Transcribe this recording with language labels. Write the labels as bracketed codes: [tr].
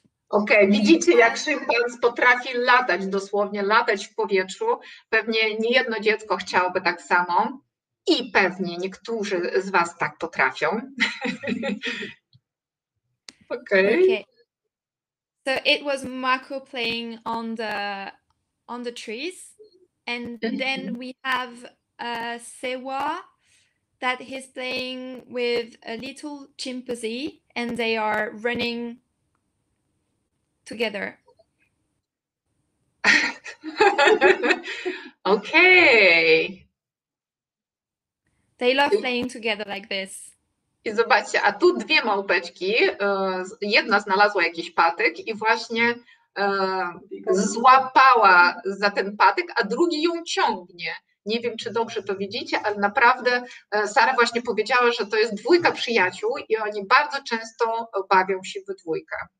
[pl] Okay, widzicie, jak szympans potrafi latać, dosłownie latać w powietrzu. Pewnie nie jedno dziecko chciałoby tak samo. I pewnie niektórzy z was tak potrafią. [en] Okay. Okay. So it was Marco playing on the trees, and then we have Sewa. That he's playing with a little chimpanzee and they are running together. Okay. They love playing together like this. [pl] I zobaczcie, a tu dwie małpeczki, jedna znalazła jakiś patyk i właśnie złapała za ten patyk, a drugi ją ciągnie. Nie wiem, czy dobrze to widzicie, ale naprawdę Sara właśnie powiedziała, że to jest dwójka przyjaciół i oni bardzo często bawią się we dwójkę.